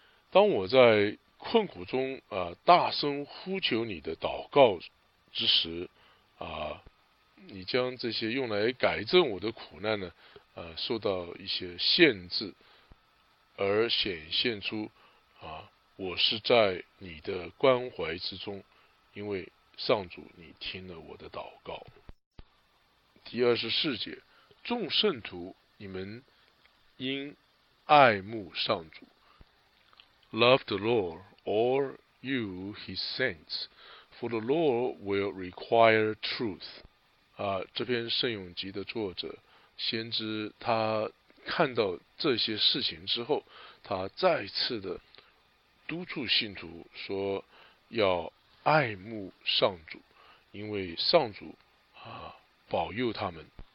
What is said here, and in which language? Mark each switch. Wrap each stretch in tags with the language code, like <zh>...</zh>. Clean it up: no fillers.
<zh>当我在困苦中、大声呼求你的祷告之时、你将这些用来改正我的苦难呢、受到一些限制，而显现出、我是在你的关怀之中，因为上主你听了我的祷告。第24节，众圣徒你们应爱慕上主。</zh> <en>Love the Lord, all you his saints, for the Lord will require truth。</en> <zh>这篇圣咏集的作者先知，他看到这些事情之后，他再次的督促信徒说要爱慕上主，因为上主、保佑他们。</zh>